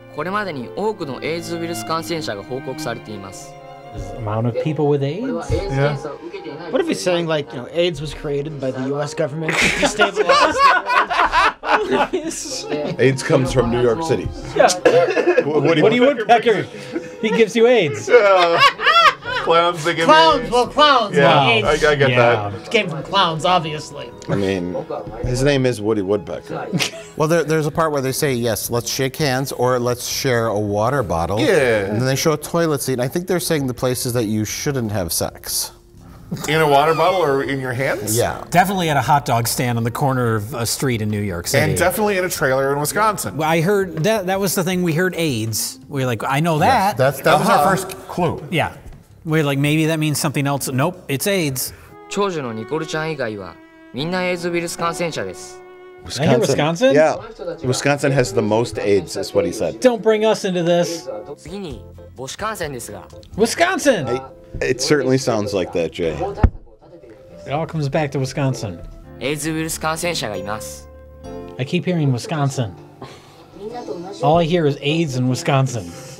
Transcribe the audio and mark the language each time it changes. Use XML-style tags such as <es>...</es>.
<ja>これまでに多くのエイズウイルス感染者が報告されています。</ja> <en>Amount of people with AIDS? Yeah. What if he's saying, like, you know, AIDS was created by the U.S. government to destabilize? AIDS comes from New York City. Yeah. What do you Woodpecker? He gives you AIDS. Clowns, they give clowns. AIDS. Well, clowns. Yeah, AIDS. I get that. It came from clowns, obviously. I mean, his name is Woody Woodpecker. Well, there's a part where they say, yes, let's shake hands or let's share a water bottle. Yeah. And then they show a toilet seat. I think they're saying the places that you shouldn't have sex. In a water bottle or in your hands? Yeah. Definitely at a hot dog stand on the corner of a street in New York City. And definitely in a trailer in Wisconsin. Well, I heard, that was the thing, we heard AIDS. We're like, I know that. Yes, that was our first clue. Yeah. We're like, maybe that means something else. Nope, it's AIDS.</en> <ja>長女のニコルちゃん以外はみんなエイズウイルス感染者です。</ja> <en>Wisconsin? Yeah. Wisconsin has the most AIDS, is what he said. Don't bring us into this.</en> <ja>次に母子感染ですが。</ja> <en>Wisconsin! It certainly sounds like that, Jay. It all comes back to Wisconsin.</en> <ja>AIDS ウイルス感染者がいます。</ja> <en>I keep hearing Wisconsin. All I hear is AIDS in Wisconsin.</en>